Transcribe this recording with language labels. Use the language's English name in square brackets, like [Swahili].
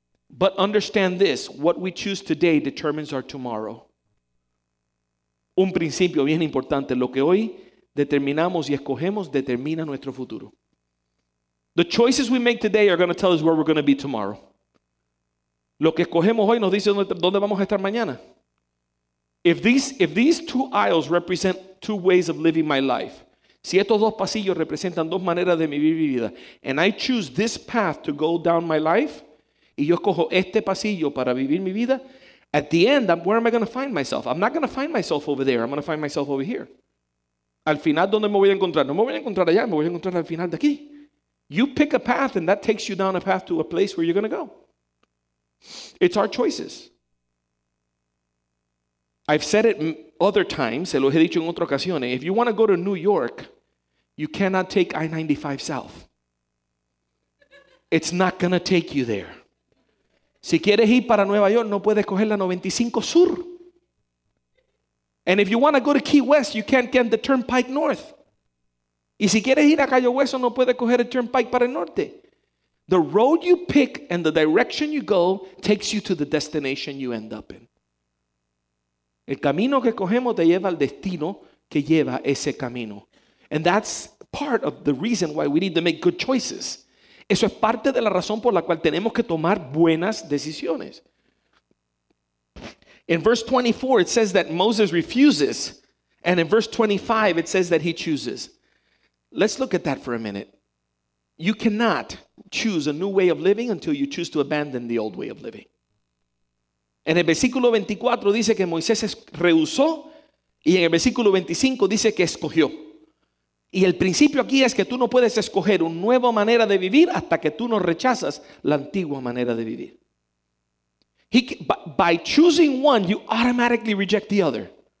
[English] But understand this, what we choose today determines our tomorrow. [Spanish] Un principio bien importante, lo que hoy determinamos y escogemos determina nuestro futuro. [English] The choices we make today are going to tell us where we're going to be tomorrow. [Spanish] Lo que escogemos hoy nos dice dónde vamos a estar mañana. [English] If these two aisles represent two ways of living my life, [Spanish] si estos dos pasillos representan dos maneras de vivir mi vida, [English] and I choose this path to go down my life, [Spanish] y yo escojo este pasillo para vivir mi vida, [English] at the end, where am I going to find myself? I'm not going to find myself over there. I'm going to find myself over here. [Spanish] Al final, ¿dónde me voy a encontrar? No me voy a encontrar allá, me voy a encontrar al final de aquí. [English] You pick a path and that takes you down a path to a place where you're going to go. It's our choices. I've said it other times, [Spanish] se lo he dicho en otras ocasiones. [English] If you want to go to New York, you cannot take I-95 south. It's not going to take you there. [Spanish] Si quieres ir para Nueva York, no puedes coger la 95 sur. [English] And if you want to go to Key West, you can't get the Turnpike North. [Spanish] Y si quieres ir a Cayo Hueso, no puedes coger el Turnpike para el norte. [English] The road you pick and the direction you go takes you to the destination you end up in. [Spanish] El camino que cogemos te lleva al destino que lleva ese camino. [English] And that's part of the reason why we need to make good choices. [Spanish] Eso es parte de la razón por la cual tenemos que tomar buenas decisiones. [English] In verse 24, it says that Moses refuses. And in verse 25, it says that he chooses. Let's look at that for a minute. You cannot choose a new way of living until you choose to abandon the old way of living. [Spanish] En el versículo 24 dice que Moisés rehusó. Y en el versículo 25 dice que escogió. Y el principio aquí es que tú no puedes escoger una nueva manera de vivir hasta que tú no rechazas la antigua manera de vivir. [English] By choosing one, you automatically reject the other.